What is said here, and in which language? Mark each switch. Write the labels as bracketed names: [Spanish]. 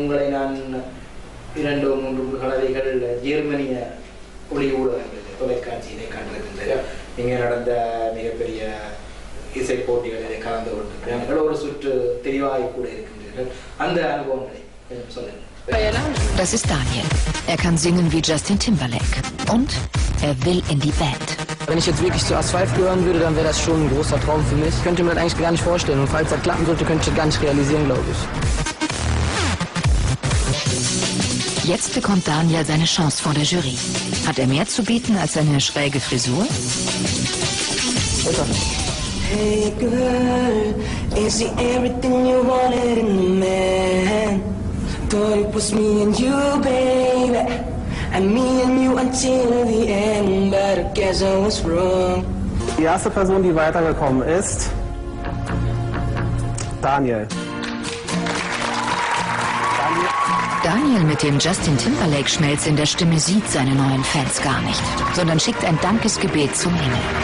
[Tamil] உங்களை நான் இரண்டு மூன்று கலவைகள் ஜெர்மனிய ஒளி ஊடகங்கள் தொலைக்காட்சியிலே கண்டிருக்கின்றன. நீங்கள் நடந்த மிகப்பெரிய இசை போட்டிகளிலே கலந்து கொண்டிருக்கிறார்கள். ஒரு சுற்று தெளிவாக கூட இருக்கின்றீர்கள். அந்த அனுபவங்களை கொஞ்சம் சொல்லுங்கள். [German] Das ist Daniel. Er kann singen wie Justin Timberlake. Und er will in die Band. Wenn ich jetzt wirklich zu A5 gehören würde, dann wäre das schon ein großer Traum für mich. Ich könnte mir das eigentlich gar nicht vorstellen. Und falls das klappen sollte, könnte ich das gar nicht realisieren, glaube ich. Jetzt bekommt Daniel seine Chance vor der Jury. Hat er mehr zu bieten als seine schräge Frisur? [English] Hey girl, is he everything you wanted in a man? Thought it was me and you, baby, and me and you until the end, but I guess I was wrong. [German] Die erste Person, die weitergekommen ist, Daniel. Daniel mit dem Justin Timberlake-Schmelz in der Stimme sieht seine neuen Fans gar nicht, sondern schickt ein Dankesgebet zum Himmel.